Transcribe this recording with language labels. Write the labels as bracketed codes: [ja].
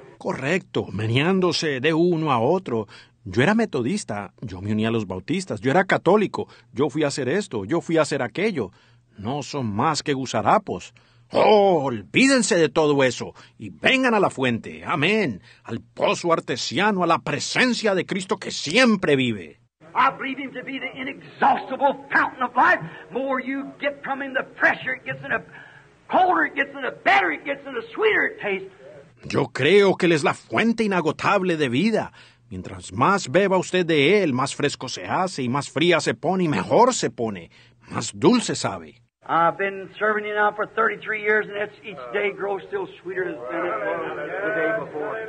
[es] Correcto, meneándose de uno a otro. Yo era metodista, yo me uní a los bautistas. Yo era católico, yo fui a hacer esto, yo fui a hacer aquello. No son más que gusarapos. ¡Oh, olvídense de todo eso! Y vengan a la fuente, amén, al pozo artesiano, a la presencia de Cristo que siempre vive. [en] I believe him to be the inexhaustible fountain of life. More you get from him, the fresher it gets, and the colder it gets, and the better it gets, and the sweeter it tastes. [es] Yo creo que él es la fuente inagotable de vida. Mientras más beba usted de él, más fresco se hace y más fría se pone y mejor se pone. Más dulce sabe. [en] I've been serving you now for 33 years and it's each day grows still sweeter than it was the day before.